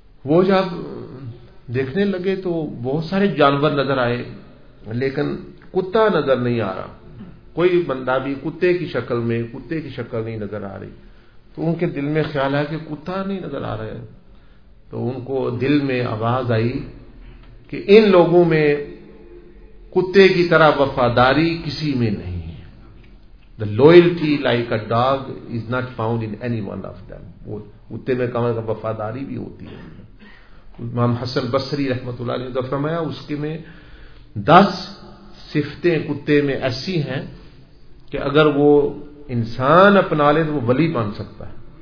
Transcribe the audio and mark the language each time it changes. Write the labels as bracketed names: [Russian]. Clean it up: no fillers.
[Urdu] وہ جب دیکھنے لگے تو بہت سارے جانور نظر آئے، لیکن کتا نظر نہیں آ رہا، کوئی بندہ بھی کتے کی شکل میں، کتے کی شکل نہیں نظر آ رہی. تو ان کے دل میں خیال آیا کہ کتا نہیں نظر آ رہا ہے، تو ان کو دل میں آواز آئی کہ ان لوگوں میں کتے کی طرح وفاداری کسی میں نہیں. [English] The loyalty like a dog is not found in any one of them. [Urdu] کتے میں کم از کم وفاداری بھی ہوتی ہے. امام حسن بصری رحمۃ اللہ علیہ نے فرمایا، اس کے میں 10 صفتیں کتے میں ایسی ہیں کہ اگر وہ انسان اپنا لے تو وہ ولی بن سکتا ہے.